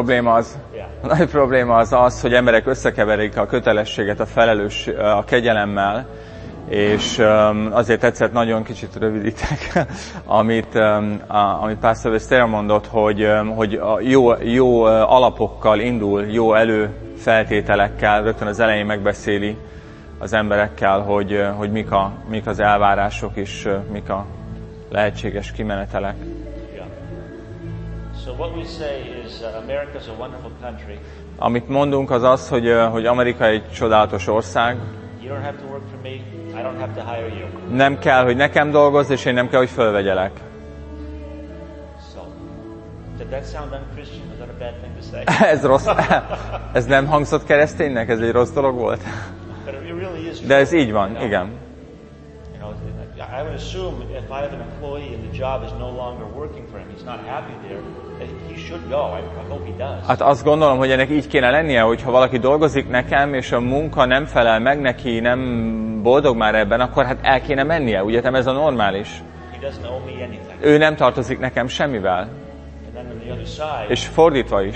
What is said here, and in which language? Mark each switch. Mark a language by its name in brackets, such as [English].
[Hungarian] A nagy probléma az, hogy emberek összekeverik a kötelességet a kegyelemmel, és azért tetszett nagyon kicsit rövidítek, amit Pastor Westerre mondott, hogy a jó alapokkal indul, jó előfeltételekkel, rögtön az elején megbeszéli az emberekkel, hogy mik az elvárások és mik a lehetséges kimenetelek. [English] So what we say is America is a wonderful country. [Hungarian] Amit mondunk az az, hogy Amerika egy csodálatos ország. [English] You don't have to work for me. I don't have to hire you. [Hungarian] Nem kell, hogy nekem dolgozz, és én nem kell, hogy fölvegyelek. [English] So, did that sound un-Christian? Was that a bad thing to say? [Hungarian] Ez rossz. Ez nem hangzott kereszténynek? Ez egy rossz dolog volt? [English] But it really is true. [Hungarian] De ez így van, igen. [English] I would assume if I have an employee and the job is no longer working for him, he's not happy there, he should go. I hope he does. [Hungarian] Hát azt gondolom, hogy ennek így kéne lennie, hogy ha valaki dolgozik nekem, és a munka nem felel meg neki, nem boldog már ebben, akkor hát el kéne mennie. Ugye, ez a normális. [English] He doesn't owe me anything. [Hungarian] Ő nem tartozik nekem semmivel. [English] And then on the other side, [Hungarian] és fordítva is,